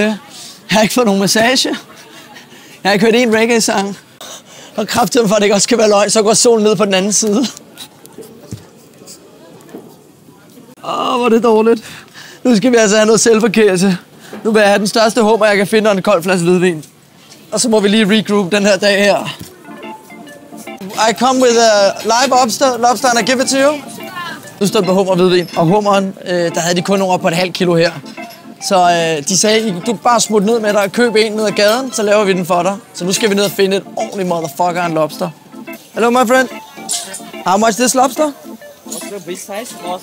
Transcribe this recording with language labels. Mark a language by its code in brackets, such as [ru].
[da] Jeg har ikke fået nogen massage. Jeg har ikke hørt én reggae-sang. Og kraftedeme for, at det ikke også kan være løg, så går solen ned på den anden side. Åh, hvor er det dårligt. Nu skal vi altså have noget selvforkælelse. Nu vil jeg have den største hummer, jeg kan finde, og en kold flaske hvidvin. Og så må vi lige regroup den her dag her. [en] I come with a live lobster and I give it to you. [da] Nu står det på hummer og hvidvin. Og hummeren, der havde de kun over på et halvt kilo her. Så de sagde, du bare smut ned med dig og køb en ned ad gaden, så laver vi den for dig. Så nu skal vi ned og finde et ordentligt motherfucker af en lobster. [en] Hello, my friend. How much this lobster? This size?